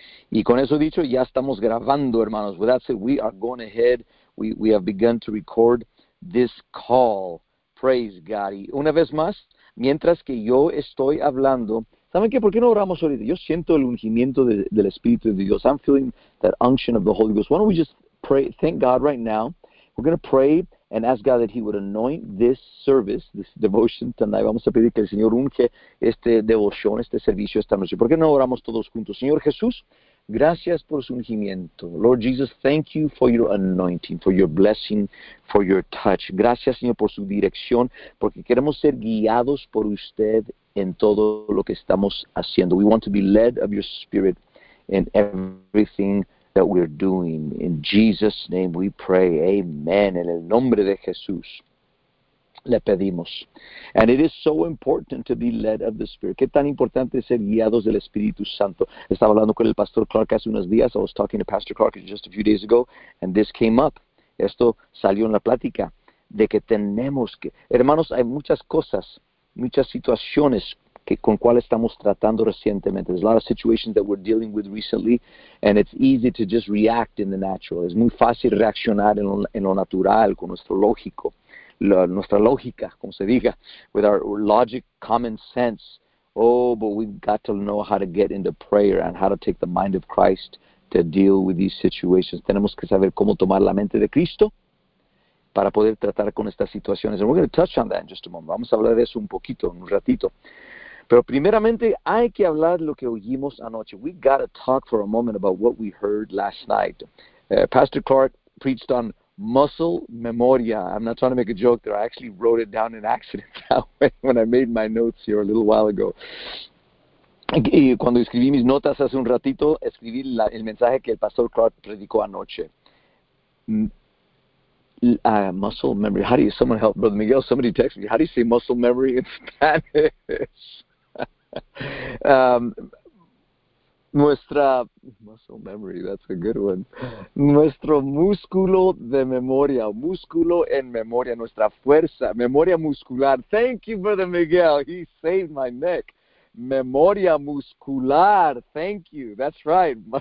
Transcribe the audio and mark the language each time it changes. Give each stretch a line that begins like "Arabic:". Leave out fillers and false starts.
Spanish: Y con eso dicho, ya estamos grabando, hermanos.
English: With that said, we are going ahead. We have begun to record this call. Praise God.
Spanish: Y una vez más, mientras que yo estoy hablando, ¿saben qué? ¿Por qué no oramos ahorita? Yo siento el ungimiento del Espíritu de Dios.
English: I'm feeling that unction of the Holy Ghost. Why don't we just pray, thank God right now. We're going to pray and ask God that He would anoint this service, this devotion tonight.
Spanish: Vamos a pedir que el Señor unge este devoción, este servicio esta noche. ¿Por qué no oramos todos juntos? Señor Jesús, gracias por su ungimiento.
English: Lord Jesus, thank you for your anointing, for your blessing, for your touch.
Spanish: Gracias, Señor, por su dirección, porque queremos ser guiados por usted en todo lo que estamos haciendo.
English: We want to be led of your spirit in everything that we're doing. In Jesus' name we pray. Amen.
Spanish: En el nombre de Jesús le pedimos.
English: And it is so important to be led of the Spirit.
Spanish: ¿Qué tan importante es ser guiados del Espíritu Santo? Estaba hablando con el Pastor Clark hace unos días.
English: I was talking to Pastor Clark just a few days ago, and this came up.
Spanish: Esto salió en la plática de que tenemos que... Hermanos, hay muchas cosas, muchas situaciones con cual estamos tratando recientemente.
English: There's a lot of situations that we're dealing with recently, and it's easy to just react in the natural.
Spanish: Es muy fácil reaccionar en lo natural, con nuestro lógico, nuestra lógica, como se diga,
English: with our logic, common sense. Oh, but we've got to know how to get into prayer and how to take the mind of Christ to deal with these situations.
Spanish: Tenemos que saber cómo tomar la mente de Cristo para poder tratar con estas situaciones.
English: And we're going to touch on that in just a moment.
Spanish: Vamos a hablar de eso un poquito, en un ratito. Pero primeramente hay que hablar de lo que oímos anoche.
English: We got to talk for a moment about what we heard last night. Pastor Clark preached on muscle memoria. I'm not trying to make a joke there. I actually wrote it down in accident that way when I made my notes here a little while ago.
Spanish: Y cuando escribí mis notas hace un ratito, escribí el mensaje que el Pastor Clark predicó anoche.
English: Muscle memory. How do you, someone help, Brother Miguel, somebody text me. How do you say muscle memory in Spanish? Nuestra muscle memory, that's a good one.
Spanish: Nuestro músculo de memoria, músculo en memoria, nuestra fuerza, memoria muscular.
English: Thank you, Brother Miguel. He saved my neck. Memoria muscular. Thank you. That's right.